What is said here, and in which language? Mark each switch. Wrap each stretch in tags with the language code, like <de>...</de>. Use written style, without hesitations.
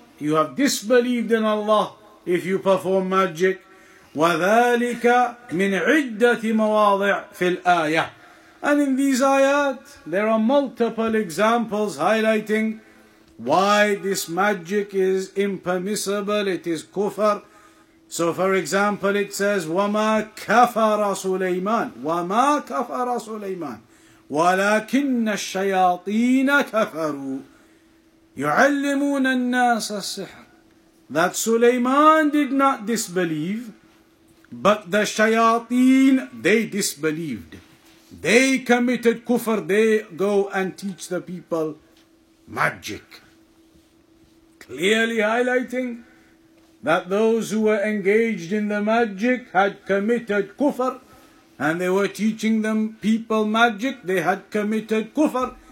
<en>You have disbelieved in Allah if you perform magic.</en> <ar>وَذَلِكَ مِنْ عِدَّةِ مَوَاضِعْ فِي الْآيَةِ.</ar> <en>And in these ayat, there are multiple examples highlighting why this magic is impermissible, it is kufr. So for example, it says,</en> <ar>وَمَا كَفَرَ سُلَيْمَانِ وَمَا كَفَرَ سُلَيْمَانِ وَلَكِنَّ الشَّيَاطِينَ كَفَرُوا يُعَلِّمُونَ النَّاسَ السِّحْرِ.</ar> <en>That Sulaiman did not disbelieve, but the shayateen, they disbelieved. They committed kufr, they go and teach the people magic. Clearly highlighting that those who were engaged in the magic had committed kufr, and they were teaching them people magic, they had committed kufr.</en>